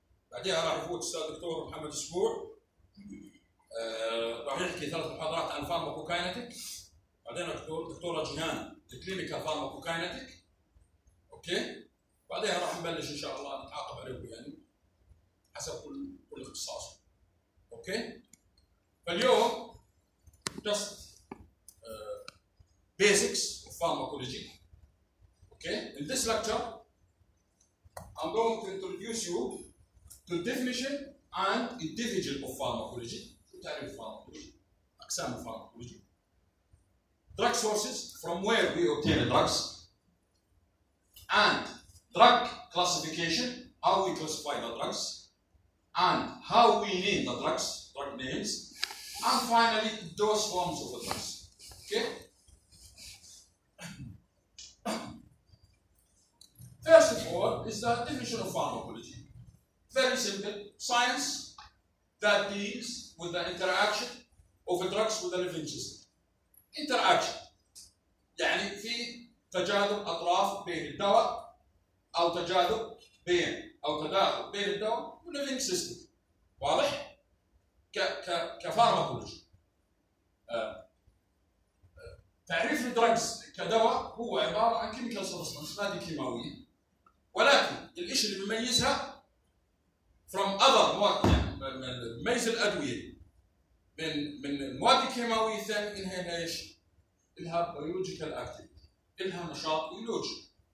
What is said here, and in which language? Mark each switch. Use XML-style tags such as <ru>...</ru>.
<ar>بعديها راح يفوت أستاذ الدكتور محمد السبوع، راح يحكي ثلاث محاضرات عن الفارماكوكاينتيك. بعدين دكتورة جيهان الكلينيكال فارماكوكاينتيك. أوكي، بعدها راح نبلش إن شاء الله نتعاقب عليهم يعني حسب كل اختصاص. أوكي، فاليوم</ar> <en>just basics of pharmacology. Okay, in this lecture I'm going to introduce you to definition and individual of pharmacology.</en> <ar>شو تعني الفارماكولوجي؟ أقسام الفارماكولوجي.</ar> <en>Drug sources, from where we obtain the drugs, and drug classification, how we classify the drugs, and how we name the drugs, drug names, and finally dose forms of the drugs. Okay. First of all, is the definition of pharmacology. Very simple, science that deals with the interaction of drugs with the living system. Interaction.</en> <ar>يعني في تجاذب أطراف بين الدواء أو تجاذب بين أو تداخل بين الدواء والليفينج سيستم، واضح؟ كفارماكولوجي. تعريف الدرجز كدواء هو عبارة عن كيميكال سبستانس، مادة كيماوية، ولكن الإشي اللي بيميزها</ar> <en>from other</en> <ar>مواد، يعني بيميز الأدوية من مواد كيماوية ثانية إنها إيش؟ إلها بيولوجيكال أكتيفيتي، إلها نشاط بيولوجي.</ar>